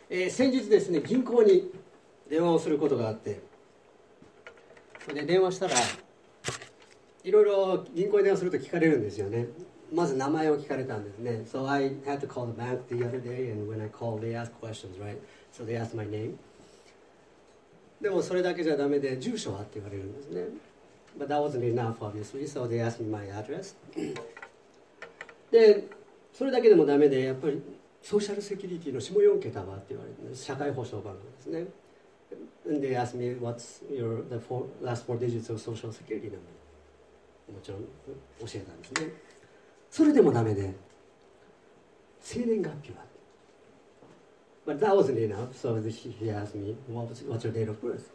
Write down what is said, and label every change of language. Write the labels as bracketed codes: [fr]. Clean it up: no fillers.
[ja] 先日ですね、銀行に電話をすることがあって、それで電話したらいろいろ銀行に電話すると聞かれるんですよね。まず名前を聞かれたんですね。 [en] So I had to call the bank the other day, and when I called they asked questions, right? So they asked my name. [ja] でもそれだけじゃダメで、住所はって言われるんですね。 [en] But that wasn't enough obviously, so they asked me my address. [ja] でそれだけでもダメで、やっぱりソーシャルセキュリティの下4桁はって言われて、社会保障番号ですね。 [en] And they asked me what's your the four, last four digits of social security number. [ja] もちろん教えたんですね。それでもダメで、生年月日は。 [en] But that wasn't enough, so he asked me what's your date of birth.